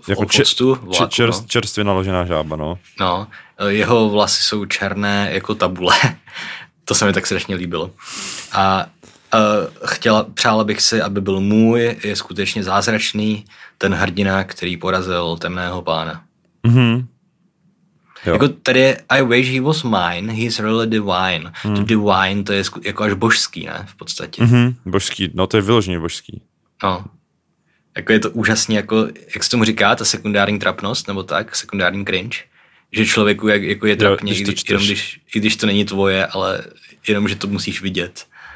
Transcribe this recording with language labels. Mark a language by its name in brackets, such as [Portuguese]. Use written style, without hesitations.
[Czech] Jako čerstvě naložená žába, no. No, jeho vlasy jsou černé, jako tabule. To se mi tak strašně líbilo. A... přála bych si, aby byl můj, je skutečně zázračný ten hrdina, který porazil temného pána. Mm-hmm. Jako tady je [English] I wish he was mine, he's really divine. [Czech] To divine, to je jako až božský, ne, v podstatě. Mm-hmm. Božský, no to je vyloženě božský. No. Jako je to úžasný, jako jak se tomu říká, ta sekundární trapnost, nebo tak, sekundární cringe, že člověku jako je trapně, když to není tvoje, ale jenom, že to musíš vidět.